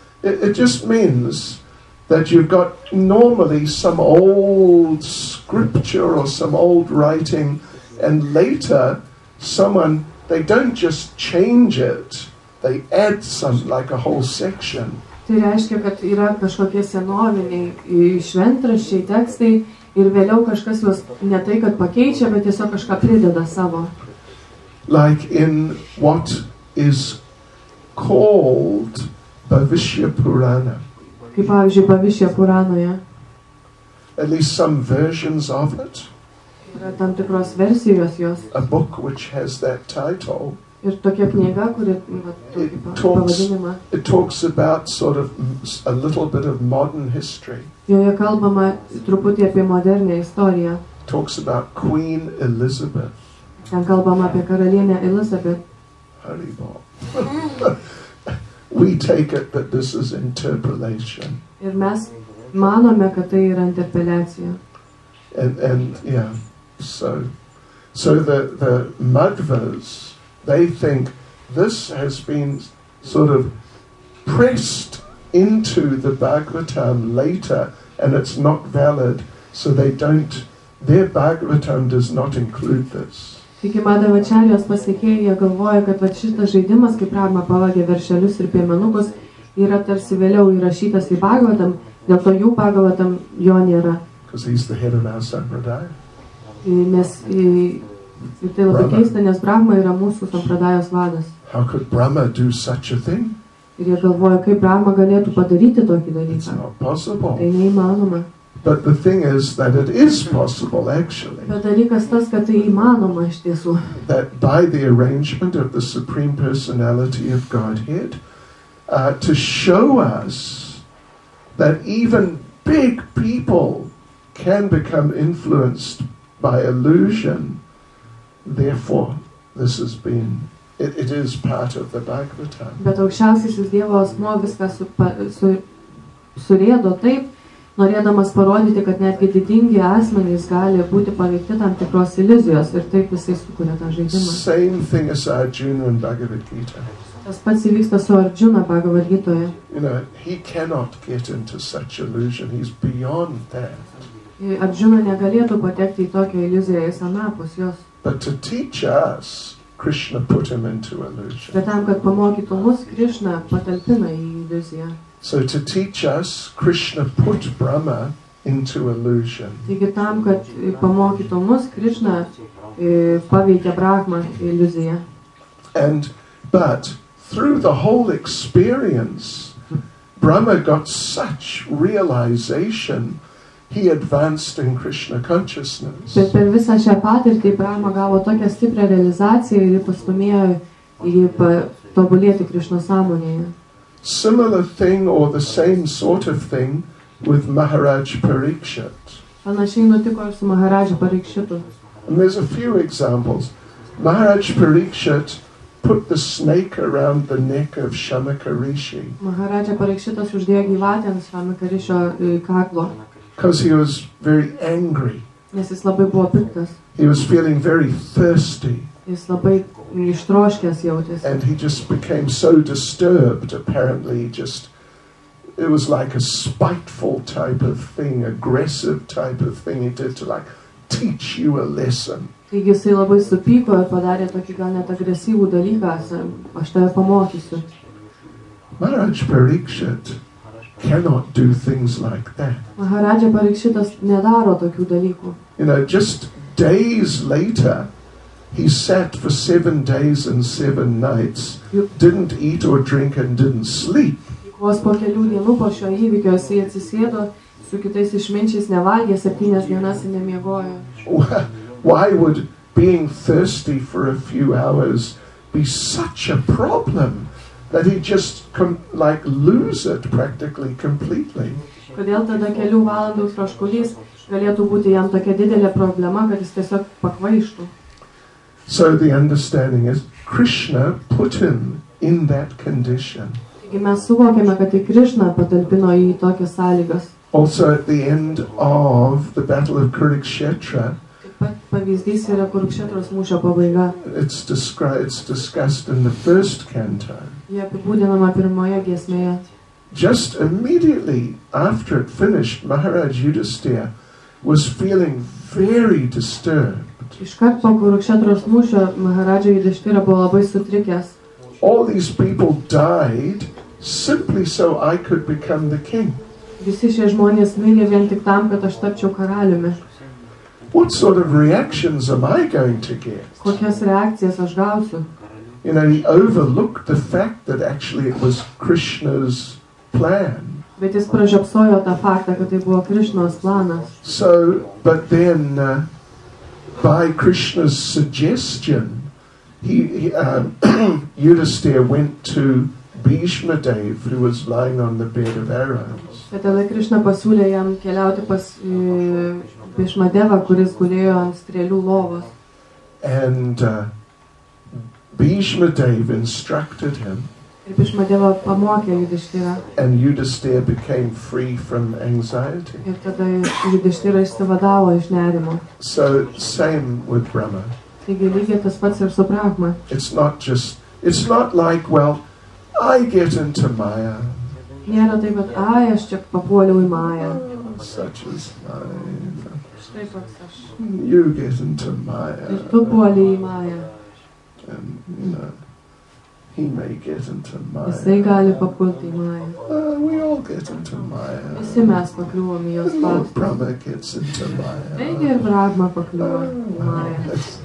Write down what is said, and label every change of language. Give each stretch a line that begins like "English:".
English: It just means that you've got normally some old scripture or some old writing, and later someone, they don't just change it, they add some, like a whole section.
Lithuanian: Tai reiškia, kad yra kažkokie senoviniai šventraščiai, tekstai ir vėliau kažkas juos ne tai, kad pakeičia, bet tiesiog kažką prideda savo.
English: Like in what is called Bhavishya Purana.
Lithuanian: Kaip pavyzdžiui, Bhavishya Puranoje.
English: At least some versions of it.
Lithuanian: Yra tam tikros versijos jos.
English: A book which has that title.
Lithuanian: Ir tokia knyga, kuri pavadinimą.
English: It talks about sort of a little bit of modern history.
Lithuanian: Joje kalbama truputį apie modernę istoriją.
English: Talks about Queen Elizabeth.
Lithuanian: Ten kalbama apie karalienę Elizabeth.
English: We take it that this is interpolation.
Lithuanian: Ir mes manome, kad tai yra interpeliacija.
English: And yeah, so the Madhvas, they think this has been sort of pressed into the Bhagavatam later and it's not valid, so they don't, their Bhagavatam does not include this.
Lithuanian: Taigi Madhvacharyos pasekėjai galvoja, kad šitas žaidimas, kaip Brahma pavagė veršelius ir piemenukus, yra tarsi vėliau įrašytas į Bhagavatam, dėl to jų Bhagavatam jo nėra.
English: Because he's the head of our sampradaya.
Lithuanian: Ir tai labai keista, nes Brahma yra mūsų sampradajos vadas.
English: How could Brahma do such a thing?
Lithuanian: Ir jie galvoja, kaip Brahma galėtų padaryti tokį dalyką. Tai neįmanoma.
English: But the thing is that it is possible actually.
Lithuanian: Bet dalykas tas, kad tai įmanoma iš tiesų.
English: That by the arrangement of the Supreme Personality of Godhead to show us that even big people can become influenced by illusion. Therefore, this has been it is part of the Bhagavatam.
Lithuanian: Bet aukščiausiasis Dievo asmuo viską surėdo taip, norėdamas parodyti, kad netgi didingi asmenys gali būti paveikti tam tikros iliuzijos ir taip visai sukuria tą žaidimą.
English: Same thing as Arjuna and Bhagavad Gita.
Lithuanian: Tas pats įvyksta su Arjuna Bhagavad Gitoje.
English: You know, he cannot get into such illusion. He's beyond that.
Lithuanian: Arjuna negalėtų patekti į tokią iliuziją, jis anapus jos.
English: But to teach us, Krishna put him into illusion.
Lithuanian: Bet tam, kad pamokytų mus, Krishna patalpina į iliuziją.
English: So to teach us, Krishna put Brahma into illusion.
Lithuanian: Taigi tam, kad pamokytų mus, Krishna paveikė Brahmą iliuziją.
English: And but through the whole experience, Brahma got such realization. He advanced in Krishna consciousness.
Lithuanian: Bet per visą šią patirtį Brahma gavo tokią stiprią realizaciją ir pastumėjo jį tobulėti Krishna sąmonėje.
English: Similar thing or the same sort of thing with Maharaj Parikshit.
Lithuanian: Panašiai nutiko ir su Maharaj Parikshitu.
English: And there's a few examples. Maharaj Parikshit put the snake around the neck of Shamaka Rishi.
Lithuanian: Maharaj Parikshitas uždėjo gyvatę ant Shamaka Rishio kaklo.
English: Because he was very angry.
Lithuanian: Nes jis labai buvo piktas.
English: He was feeling very thirsty.
Lithuanian: Jis labai ištroškęs jautėsi.
English: And he just became so disturbed, apparently just it was like a spiteful type of thing, aggressive type of thing he did to like teach you a lesson.
Lithuanian: Taigi jisai labai supyko ir padarė tokį gal net agresyvų dalyką, aš tave pamokysiu.
English: Maharaj Parikshit cannot do things like that.
Lithuanian: Maharaja Parikshitas nedaro tokių dalykų.
English: You know, just days later, he sat for 7 days and 7 nights, didn't eat or drink and didn't sleep.
Lithuanian: Vos po kelių dienų po šio įvykio jis atsisėdo su kitais išminčiais, nevalgė 7 dienas ir nemiegojo.
English: Why would being thirsty for a few hours be such a problem? That he just like lose it practically completely.
Lithuanian: Kodėl tada kelių valandų troškulys galėtų būti jam tokia didelė problema, kad jis tiesiog pakvaištų.
English: So the understanding is Krishna put him in that condition.
Lithuanian: Taigi mes suvokėme, kad tai Krishna patalpino jį į tokias sąlygas.
English: Also at the end of the battle of Kurukshetra.
Lithuanian: Pavyzdys yra Kurukshetros mūšio pabaiga.
English: It's discussed in the first canto.
Lithuanian: Jie apibūdinama pirmoje giesmėje.
English: Just immediately after it finished, Maharaj Yudhisthira was feeling very disturbed.
Lithuanian: Iškart po Kurukshetros mūšio Maharaj Yudhisthira buvo labai sutrikęs.
English: All these people died simply so I could become the king.
Lithuanian: Visi šie žmonės mirė vien tik tam, kad aš tapčiau karaliumi.
English: What sort of reactions am I going to get?
Lithuanian: Kokias reakcijas aš gausiu?
English: You know, he overlooked the fact that actually it was Krishna's plan.
Lithuanian: Bet jis pražiopsojo tą faktą, kad tai buvo Krishnos planas.
English: So, but then, by Krishna's suggestion, Yudhisthira went to Bhishma Dev, who was lying on the bed of arrows.
Lithuanian: Bet tada Krishna pasiūlė jam keliauti pas Bhishma Devą, kuris gulėjo ant strėlių lovos.
English: And Bhishma Dev instructed him.
Lithuanian: Ir Bhishma Deva pamokė Yudhisthira.
English: And Yudhisthira became free from anxiety.
Lithuanian: Ir tada Yudhisthira išsivadavo iš nerimo.
English: So same with Brahma.
Lithuanian: Taigi lygiai tas pats ir su Brahma.
English: It's not like, well, I get into Maya.
Lithuanian: Nėra taip, kad ai, aš čia papuoliau į Maya.
English: Such is mine.
Lithuanian: Štai aš.
English: You get into Maya.
Lithuanian: Ir tu puoli į Maya.
English: And, you know, he may get into Maya.
Lithuanian: Jisai gali papulti į Maya.
English: We all get into Maya.
Lithuanian: Visi mes pakliuvom į jos pastą.
English: Lord Brahma gets into Maya.
Lithuanian: Taigi ir Brahma pakliuvo į Maya.